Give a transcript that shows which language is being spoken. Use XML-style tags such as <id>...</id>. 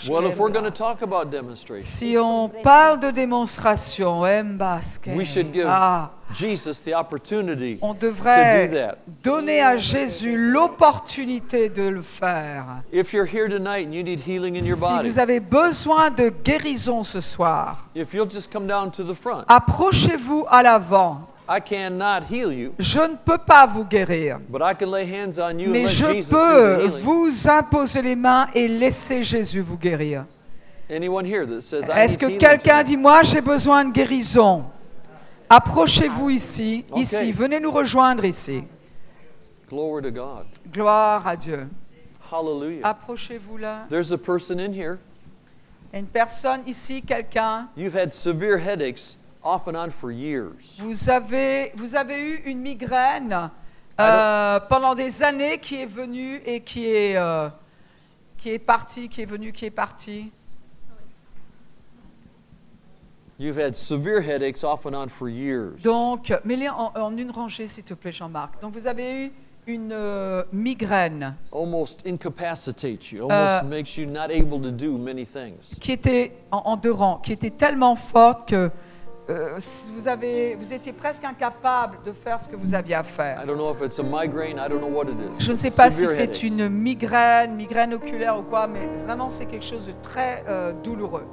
<en>well, if we're going to talk about demonstration,</en> <fr>si on parle de démonstration,</fr> <en>we should give Jesus the opportunity</en> <fr>on devrait</fr> <en>to do that.</en> <fr>Donner à Jésus l'opportunité de le faire.</fr> <en>If you're here tonight and you need healing in your body,</en> <fr>si vous avez besoin de guérison ce soir,</fr> <en>if you'll just come down to the front,</en> <fr>approchez-vous à l'avant.</fr> <en>I cannot heal you.</en> <fr>Je ne peux pas vous guérir.</fr> <en>But I can lay hands on you.</en> <fr>Mais</fr> <en>and</en> <fr>je</fr> <en>Jesus</en> <fr>peux vous imposer les mains et laisser Jésus vous guérir.</fr> <en>Anyone here that says,</en> <fr>est-ce que quelqu'un dit, moi j'ai besoin de guérison? Approchez-vous ici,</fr> <en>okay.</en> <fr>Ici, venez nous rejoindre ici.</fr> <en>Glory to God.</en> <fr>Gloire à Dieu.</fr> <en>Hallelujah.</en> <fr>Approchez-vous là.</fr> <en>There's a person in here.</en> <fr>Une personne ici, quelqu'un.</fr> <en>You've had severe headaches. Off and on for years.</en> <fr>Vous avez eu une migraine pendant des années qui est venue et qui est partie.</fr> <en>You've had severe headaches off and on for years.</en> <fr>Donc, mets-les en une rangée, s'il te plaît, Jean-Marc. Donc, vous avez eu une migraine.</fr> <en>Almost incapacitates you. Almost makes you not able to do many things.</en> <fr>Qui était en deux rangs, qui était tellement forte que vous étiez presque incapable de faire ce que vous aviez à faire.</fr> <en>I don't know if it's a migraine, I don't know what it is.</en> <fr>Je ne sais pas si c'est une migraine oculaire ou quoi, mais vraiment c'est quelque chose de très douloureux.</fr>